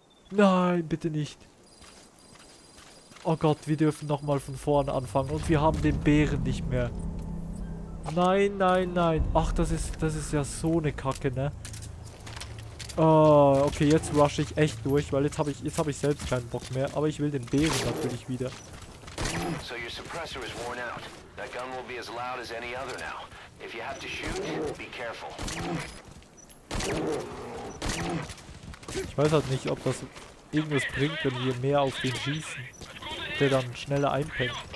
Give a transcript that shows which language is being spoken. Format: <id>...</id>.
<de>Nein, bitte nicht. Oh Gott, wir dürfen nochmal von vorne anfangen. Und wir haben den Bären nicht mehr. Nein, nein, nein. Ach, das ist ja so eine Kacke, ne? Okay, jetzt rush ich echt durch, weil jetzt habe ich selbst keinen Bock mehr. Aber ich will den Bären natürlich wieder.</de> <en>So your suppressor is worn out. That gun will be as loud as any other now. If you have to shoot, be careful.</en> <de>Ich weiß halt nicht, ob das irgendwas bringt, wenn wir mehr auf den schießen, der dann schneller einpennt.</de>